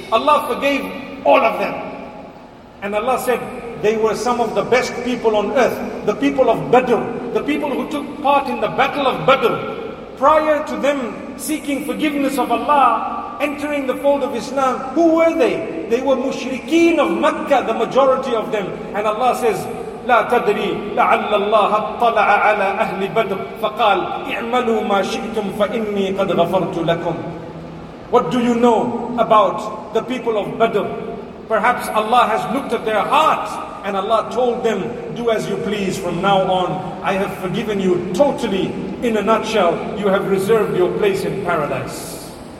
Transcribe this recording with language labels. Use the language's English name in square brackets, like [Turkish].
[English] Allah forgave all of them. And Allah said, they were some of the best people on earth. The people of Badr, the people who took part in the battle of Badr. Prior to them seeking forgiveness of Allah, entering the fold of Islam, who were they? They were mushrikeen of Makkah, the majority of them. And Allah says, [Arabic] لا تدري لعل الله اطلع على أهل بدر فقال اعملوا ما شئتم فإني قد غفرت لكم. [English] What do you know about the people of Badr? Perhaps Allah has looked at their hearts and Allah told them, do as you please from now on. I have forgiven you totally. In a nutshell, you have reserved your place in paradise.